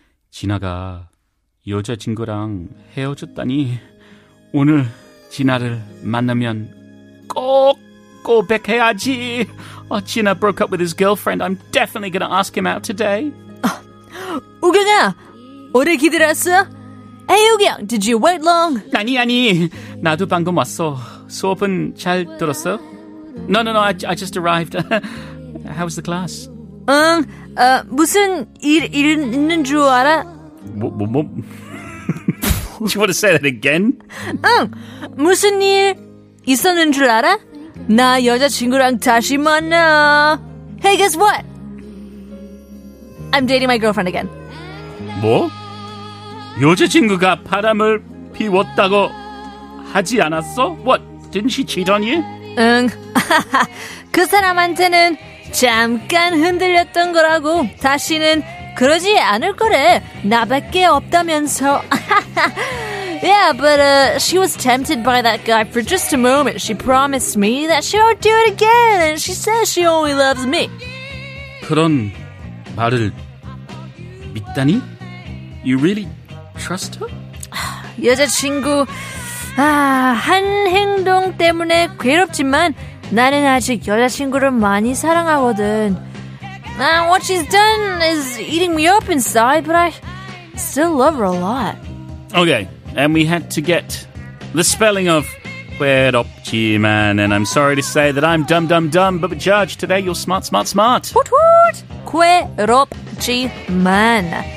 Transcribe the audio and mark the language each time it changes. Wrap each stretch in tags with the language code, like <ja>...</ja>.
<ko>진아가 여자친구랑 헤어졌다니 오늘 진아를 만나면 꼭 고백해야지.</ko> <en>Oh, Gina broke up with his girlfriend. I'm definitely going to ask him out today.</en> <ko>Ugyeong아, 오래 기다렸어?</ko> <en>Hey, Ugyeong, did you wait long?</en> <ko>아니, 나도 방금 왔어. 수업은 잘 들었어?</ko> <en>No, I just arrived. How was the class?</en> <ko>응, 무슨 일 있는 줄 알아?</ko> <en>Do you want to say that again?</en> <ko>응, 무슨 일 있었는 줄 알아? 나 여자친구랑 다시 만나.</ko> <en>Hey, guess what? I'm dating my girlfriend again.</en> <ko>뭐? 여자친구가 바람을 피웠다고 하지 않았어?</ko> <en>What? Didn't she cheat on you?</en> <ko>응. 그 사람한테는 잠깐 흔들렸던 거라고. 다시는 그러지 않을 거래. 나밖에 없다면서.</ko> <en>Yeah, but she was tempted by that guy for just a moment. She promised me that she won't do it again, and she says she only loves me.</en> <ko>그런 말을 믿다니?</ko> <en>You really trust her?</en> <ko>여자친구, 한 행동 때문에 괴롭지만 나는 아직 여자친구를 많이 사랑하거든.</ko> <en>What she's done is eating me up inside, but I still love her a lot. Okay. And we had to get the spelling of 괴롭지만. And I'm sorry to say that I'm dumb, dumb, dumb. But Judge, today you're smart, smart, smart. What, what? 괴롭지만.</en>